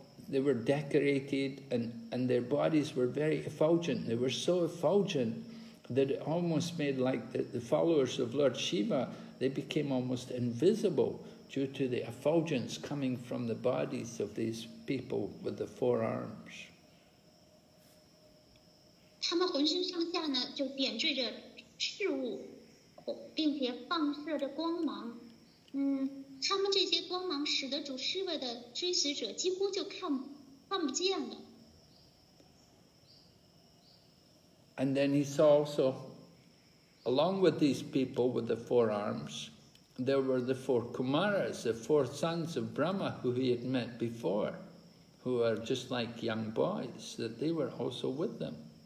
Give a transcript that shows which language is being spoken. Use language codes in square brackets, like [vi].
[en] they were decorated and their bodies were very effulgent. They were so effulgent that it almost made like the followers of Lord Shiva, they became almost invisible due to the effulgence coming from the bodies of these people with the four arms. [zh] 他们浑身上下呢，就点缀着事物，并且放射着光芒。嗯，他们这些光芒使得主Shiva的追随者几乎就看不见了。 [en] And then he saw also, along with these people with the four arms, there were the four Kumaras, the four sons of Brahma who he had met before, who are just like young boys, that they were also with them.